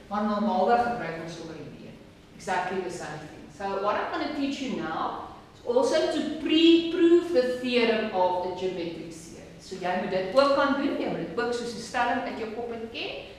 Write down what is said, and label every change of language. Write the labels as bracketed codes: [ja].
[af] Maar normaalweg gebruik ons sommer die 1. [en] Exactly the same thing. So what I'm going to teach you now is also to pre-prove the theorem of the geometric series. [af] So jy moet dit ook kan doen, jy moet dit ook soos die stelling uit jou kop het ken.